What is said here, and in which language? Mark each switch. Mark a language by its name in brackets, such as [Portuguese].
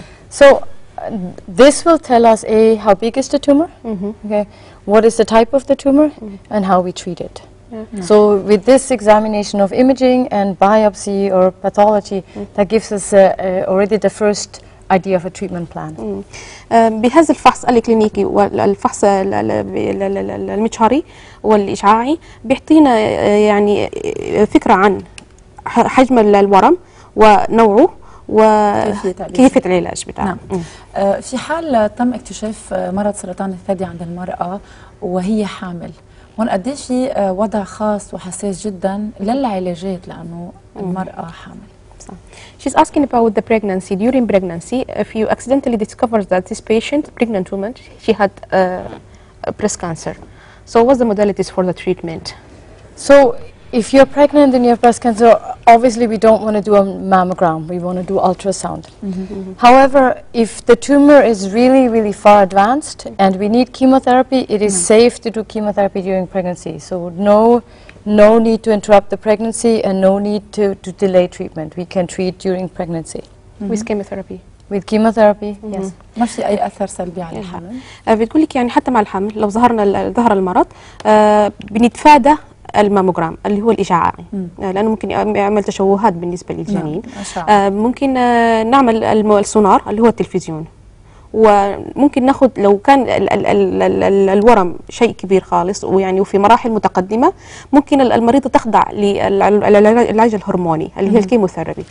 [English] So this will tell us A, how big is the tumor okay what is the type of the tumor and how we treat it So with this examination of imaging and biopsy or pathology that gives us already the first idea of a treatment plan. [Arabic] بهذا الفحص الكلينيكي والفحص المجهري والإشعاعي بيعطينا يعني فكرة عن حجم الورم ونوعه وكيف العلاج بتاعه. نعم. في حال تم اكتشاف مرض سرطان الثدي عند المرأة وهي حامل هون قديش في وضع خاص وحساس جدا للعلاجات لأنه المرأة حامل. [English] She's asking about the pregnancy. During pregnancy, if you accidentally discover that this patient, pregnant woman, she had breast cancer. So what's the modalities for the treatment? So if you're pregnant and you have breast cancer, obviously we don't want to do a mammogram. We want to do ultrasound. However, if the tumor is really, really far advanced and we need chemotherapy, it is safe to do chemotherapy during pregnancy. So no need to interrupt the pregnancy and no need to delay treatment. We can treat during pregnancy. With chemotherapy. With chemotherapy, yes. [Arabic] ما في أي أثر سلبي على الحمل. بتقول لك يعني حتى مع الحمل لو ظهر المرض بنتفادى الماموجرام اللي هو الإشعاعي لأنه ممكن يعمل تشوهات بالنسبة للجنين. ممكن نعمل السونار اللي هو التلفزيون. وممكن ناخذ لو كان الورم شيء كبير خالص ويعني وفي مراحل متقدمه ممكن المريضه تخضع للعلاج الهرموني اللي هي الكيموثيرابي